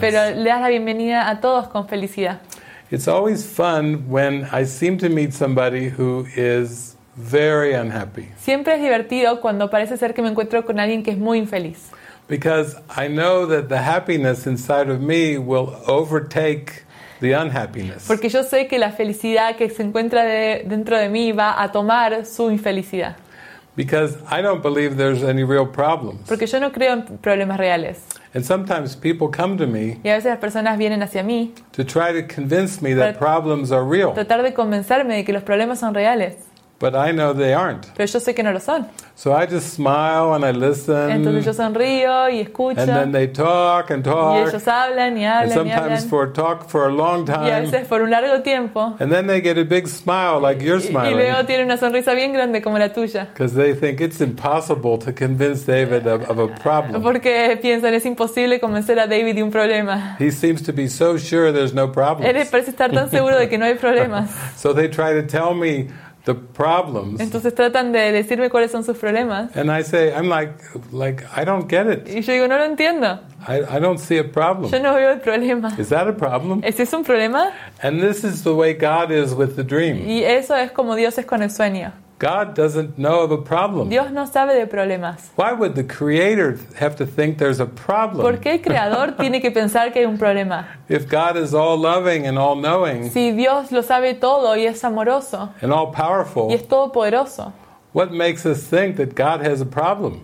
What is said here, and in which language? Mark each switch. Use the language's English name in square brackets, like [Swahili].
[Spanish] Pero le das la bienvenida a todos con felicidad. [English] It's always fun when I seem to meet somebody who is very unhappy. [Spanish] Siempre es divertido cuando parece ser que me encuentro con alguien que es muy infeliz. [English] Because I know that the happiness inside of me will overtake the unhappiness. [Spanish] Porque yo sé que la felicidad que se encuentra dentro de mí va a tomar su infelicidad. [English] Because I don't believe there's any real problems. [Spanish] Porque yo no creo en problemas reales. [English] And sometimes people come to me. [Spanish] Y a veces las personas vienen hacia mí. [English] To try to convince me that problems are real. [Spanish] Tratar de convencerme de que los problemas son reales. [English] But I know they aren't. [Spanish] Pero yo sé que no lo son. [English] So I just smile and I listen. [Spanish] Entonces yo sonrío y escucho. [English] And then they talk and talk. [Spanish] Y ellos hablan y hablan. [English] And sometimes [Spanish] y hablan. [English] for a long time. [Spanish] Y a veces por un largo tiempo. [English] And then they get a big smile like you're smiling. [Spanish] Y luego tienen una sonrisa bien grande como la tuya. [English] Because they think it's impossible to convince David of a problem. [Spanish] Porque piensan es imposible convencer a David de un problema. [English] He seems to be so sure there's no problems. [Spanish] Él parece estar tan seguro de que no hay problemas. [English] So they try to tell me. The problems. [Spanish] Entonces tratan de decirme cuáles son sus problemas. [English] And I say, I'm like, I don't get it. [Spanish] Y yo digo, no lo entiendo. [English] I don't see a problem. [Spanish] Yo no veo el problema. [English] Is that a problem? [Spanish] ¿Es eso un problema? [English] And this is the way God is with the dream. [Spanish] Y eso es como Dios es con el sueño. [English] God doesn't know of a problem. [Spanish] Dios no sabe de problemas. [English] Why would the creator have to think there's a problem? [Spanish] ¿Por qué el creador tiene que pensar que hay un problema? [English] If God is all loving and all knowing. [Spanish] Si Dios lo sabe todo y es amoroso. [English] And all powerful. [Spanish] Y es todopoderoso. [English] What makes us think that God has a problem?